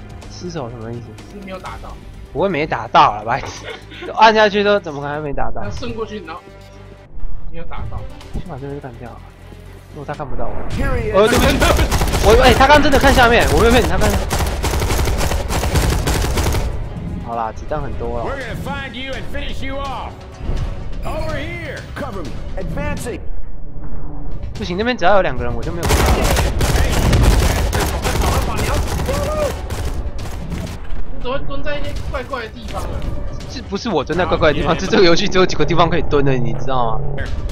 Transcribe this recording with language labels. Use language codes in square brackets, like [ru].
[zh] 失手什么意思？是没有打到。不会没打到了，白痴！按下去都怎么可能没打到？他顺过去，然后没有打到。先把这边干掉了。如果他看不到我，我这边，我哎、欸，他刚真的看下面，我没有骗你，他看。好啦，子弹很多了。 [en] We're gonna find you and finish you off. Over here, cover me, advancing. [zh] 不行，那边只要有两个人，我就没有办法。怎么蹲在一些怪怪的地方啊？是不是我蹲在怪怪的地方？是这个游戏只有几个地方可以蹲的，你知道吗？